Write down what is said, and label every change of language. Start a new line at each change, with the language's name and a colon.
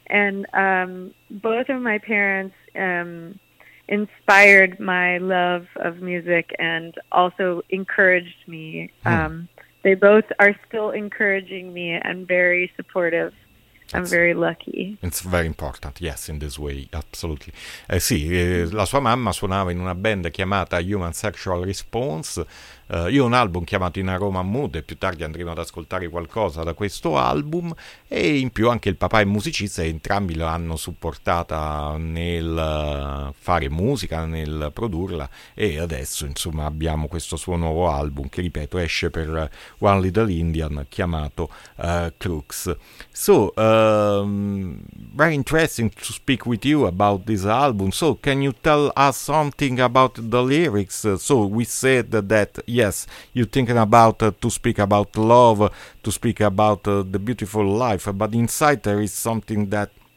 English: And both of my parents inspired my love of music and also encouraged me. They both are still encouraging me and very supportive. I'm very lucky. It's very important, yes, in this way, absolutely.
Italian: La sua mamma suonava in una band chiamata Human Sexual Response. Io ho un album chiamato In a Roman Mood e più tardi andremo ad ascoltare qualcosa da questo album. E in più anche il papà è musicista e entrambi l'hanno supportata nel fare musica, nel produrla. E adesso, insomma, abbiamo questo suo nuovo album che, ripeto, esce per One Little Indian, chiamato Crux.
English: So, very interesting to speak with you about this album. So, can you tell us something about the lyrics? So, we said that, yes, you're thinking about to speak about love, to speak about the beautiful life, but inside there is something that